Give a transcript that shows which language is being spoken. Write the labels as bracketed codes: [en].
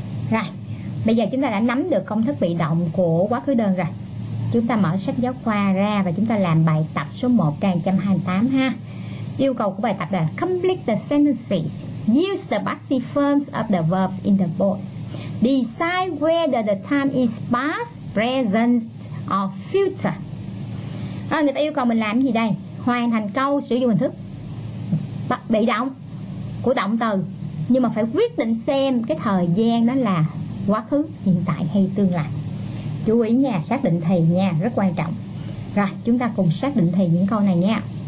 [vi] Rồi, bây giờ chúng ta đã nắm được công thức bị động của quá khứ đơn rồi. Chúng ta mở sách giáo khoa ra và chúng ta làm bài tập số 1 trang 128 ha. Yêu cầu của bài tập là [en] complete the sentences. Use the passive forms of the verbs in the both. Decide whether the time is past, present or future. [vi] À, người ta yêu cầu mình làm gì đây? Hoàn thành câu sử dụng hình thức bị động của động từ, nhưng mà phải quyết định xem cái thời gian đó là quá khứ, hiện tại hay tương lai. Chú ý nha, xác định thì nha, rất quan trọng. Rồi, chúng ta cùng xác định thì những câu này nha.